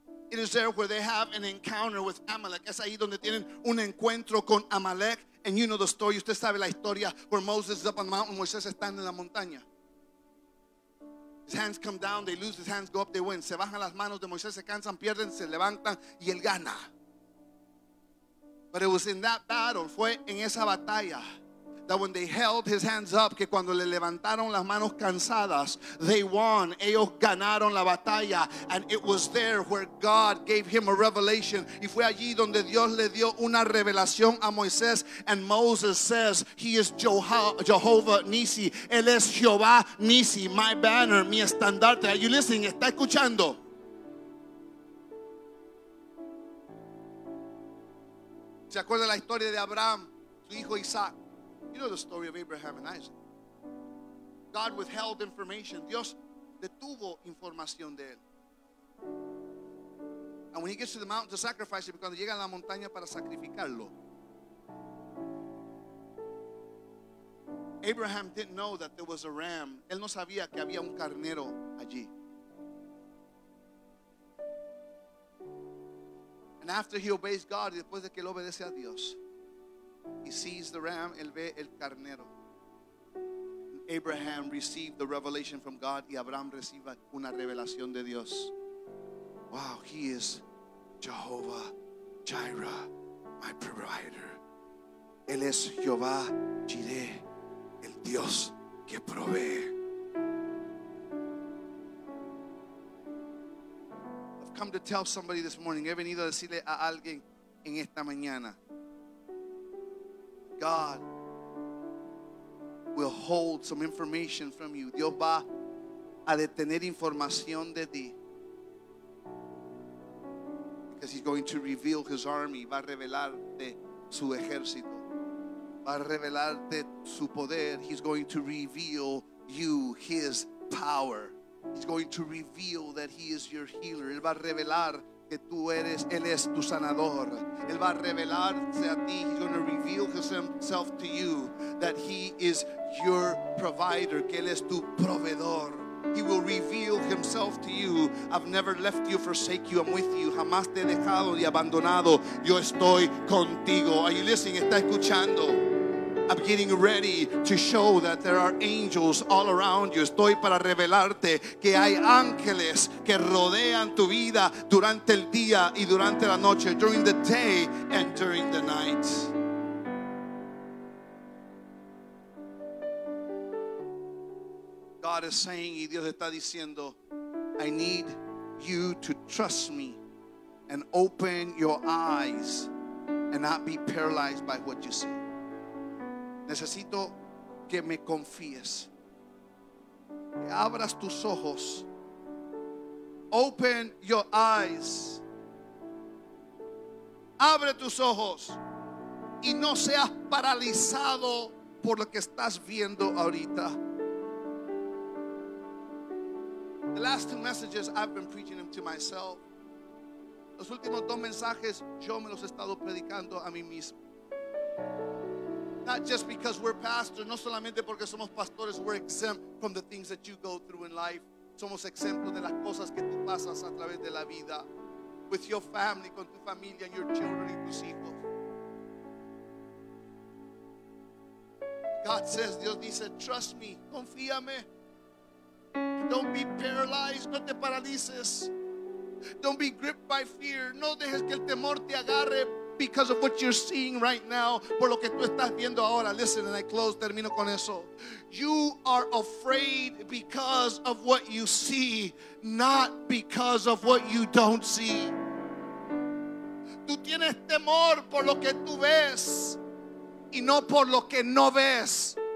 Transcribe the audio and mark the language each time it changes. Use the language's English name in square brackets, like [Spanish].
[English] It is there where they have an encounter with Amalek. [Spanish] Es ahí donde tienen un encuentro con Amalek. [English] And you know the story. [Spanish] Usted sabe la historia. [English] Where Moses is up on the mountain, [Spanish] Moisés está en la montaña. [English] His hands come down, they lose, his hands go up, they win. [Spanish] Se bajan las manos de Moisés, se cansan, pierden, se levantan, y él gana. [English] But it was in that battle, [Spanish] fue en esa batalla, [English] that when they held his hands up, [Spanish] que cuando le levantaron las manos cansadas, [English] they won, [Spanish] ellos ganaron la batalla. [English] And it was there where God gave him a revelation. [Spanish] Y fue allí donde Dios le dio una revelación a Moisés. [English] And Moses says, he is Jehovah Nisi. [Spanish] Él es Jehová Nisi, [English] my banner, [Spanish] mi estandarte. [English] Are you listening? [Spanish] ¿Está escuchando? ¿Se acuerda la historia de Abraham, su hijo Isaac? [English] You know the story of Abraham and Isaac. God withheld information. [Spanish] Dios detuvo información de él. [English] And when he gets to the mountain to sacrifice him, [Spanish] cuando llega a la montaña para sacrificarlo, [English] Abraham didn't know that there was a ram. [Spanish] Él no sabía que había un carnero allí. [English] And after he obeys God, [Spanish] y después de que él obedece a Dios, [English] he sees the ram, [Spanish] él ve el carnero. [English] And Abraham received the revelation from God, [Spanish] y Abraham recibe una revelación de Dios. [English] Wow, he is Jehovah Jireh, my provider. [Spanish] Él es Jehová Jireh, el Dios que provee. [English] I've come to tell somebody this morning. [Spanish] He venido a decirle a alguien en esta mañana. [English] God will hold some information from you. [Spanish] Dios va a detener información de ti. [English] Because he's going to reveal his army. [Spanish] Va a revelarte su ejército. Va a revelarte su poder. [English] He's going to reveal you his power. He's going to reveal that he is your healer. [Spanish] Él va a revelar que tú eres, él es tu sanador. Él va a revelarse a ti. [English] He's going to reveal himself to you that he is your provider, [Spanish] que él es tu proveedor. [English] He will reveal himself to you. I've never left you, forsake you. I'm with you. [Spanish] Jamás te he dejado ni abandonado. Yo estoy contigo. [English] Are you listening? [Spanish] Está escuchando. [English] I'm getting ready to show that there are angels all around you. [Spanish] Estoy para revelarte que hay ángeles que rodean tu vida durante el día y durante la noche. [English] During the day and during the night. God is saying, [Spanish] y Dios está diciendo, [English] I need you to trust me and open your eyes and not be paralyzed by what you see. [Spanish] Necesito que me confíes. Que abras tus ojos. [English] Open your eyes. [Spanish] Abre tus ojos. Y no seas paralizado por lo que estás viendo ahorita. [English] The last two messages I've been preaching them to myself. [Spanish] Los últimos dos mensajes yo me los he estado predicando a mí mismo. [English] Not just because we're pastors, [Spanish] no solamente porque somos pastores, [English] we're exempt from the things that you go through in life. [Spanish] Somos exentos de las cosas que tú pasas a través de la vida. [English] With your family, [Spanish] con tu familia, [English] and your children, [Spanish] y tus hijos. [English] God says, [Spanish] Dios dice, [English] trust me, [Spanish] confíame. [English] Don't be paralyzed, [Spanish] no te paralices. [English] Don't be gripped by fear, [Spanish] no dejes que el temor te agarre. [English] Because of what you're seeing right now, [Spanish] por lo que tú estás viendo ahora. [English] Listen, and I close, [Spanish] termino con eso. [English] You are afraid because of what you see, not because of what you don't see. [Spanish] Tú tienes temor por lo que tú ves y no por lo que no ves.